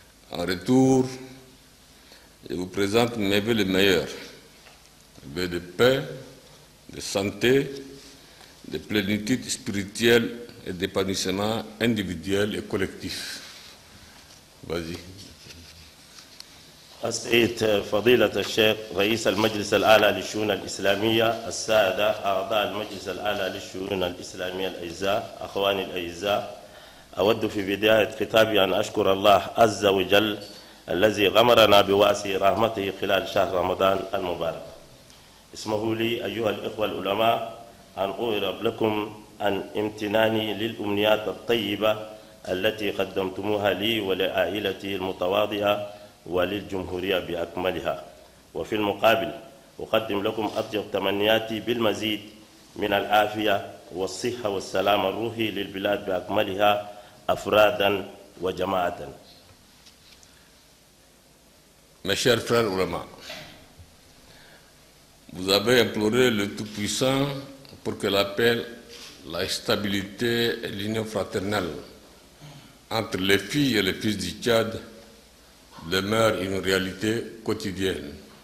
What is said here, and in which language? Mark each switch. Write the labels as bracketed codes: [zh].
[fr] En retour, je vous présente mes vœux les meilleurs, vœux de paix, de santé, de plénitude spirituelle et d'épanouissement individuel et collectif. Vas-y. [ar] السيد فضيلة الشيخ رئيس المجلس الأعلى للشؤون الإسلامية، السادة أعضاء المجلس الأعلى للشؤون الإسلامية الأعزاء، أخواني الأعزاء، أود في بداية خطابي أن أشكر الله عز وجل الذي غمرنا بواسع رحمته خلال شهر رمضان المبارك. اسمحوا لي أيها الإخوة العلماء أن أعرب لكم عن امتناني للأمنيات الطيبة التي قدمتموها لي ولعائلتي المتواضعة وللجمهورية بأكملها. وفي المقابل أقدم لكم أطيب تمنياتي بالمزيد من العافية والصحة والسلام الروحي للبلاد بأكملها أفرادا وجماعة. [fr] Mes chers frères ulama, vous avez imploré le Tout-Puissant pour que la paix, la stabilité et l'union fraternelle entre les filles et les fils du Tchad demeure une réalité quotidienne.